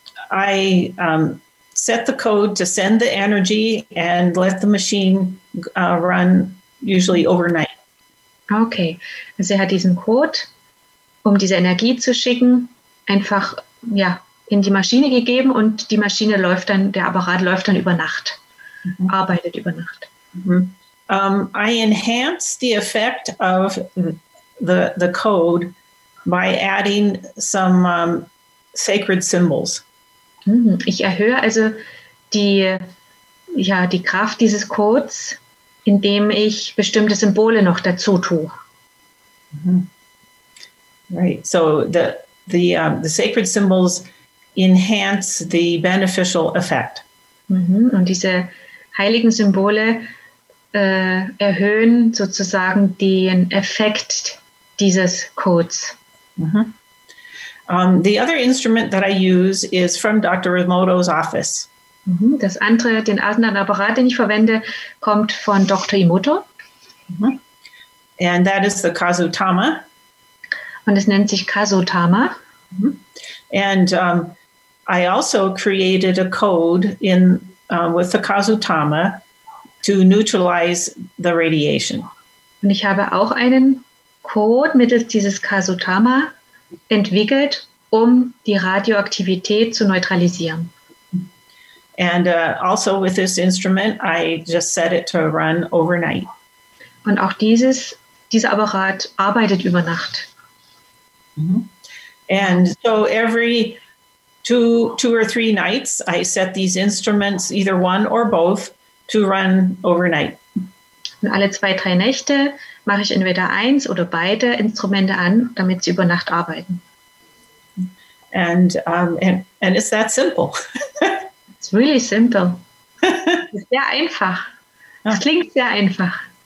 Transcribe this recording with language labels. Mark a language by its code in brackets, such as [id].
[en] And so I set the code to send the energy and let the machine run usually overnight. [de] Okay, also er hat diesen Code, um diese Energie zu schicken, einfach ja in die Maschine gegeben und die Maschine läuft dann, der Apparat läuft dann über Nacht, mm-hmm. arbeitet über Nacht. Mm-hmm. [en] I enhance the effect of the code by adding some sacred symbols. [de] Ich erhöhe also die Kraft dieses Codes, indem ich bestimmte Symbole noch dazu tue. [en] Mm-hmm. Right. So the sacred symbols enhance the beneficial effect. Mm-hmm. [de] Und diese heiligen Symbole erhöhen sozusagen den Effekt dieses Codes. Mm-hmm. [en] The other instrument that I use is from Dr. Emoto's office. Mm-hmm. [de] Das andere, den anderen Apparat, den ich verwende, kommt von Dr. Emoto. Mm-hmm. [en] And that is the Kazutama. [de] Und es nennt sich Kazutama. Mm-hmm. [en] And I also created a code with the Kazutama to neutralize the radiation. [de] Und ich habe auch einen Code mittels dieses Kazutama entwickelt, um die Radioaktivität zu neutralisieren. [en] And also with this instrument, I just set it to run overnight. [de] Und auch dieser Apparat arbeitet über Nacht. Mm-hmm. [en] And so every two or three nights, I set these instruments, either one or both, to run overnight. [de] Und alle zwei, drei Nächte mache ich entweder eins oder beide Instrumente an, damit sie über Nacht arbeiten. [en] And it's that simple. It's really simple. [de] Sehr einfach. Das klingt sehr einfach.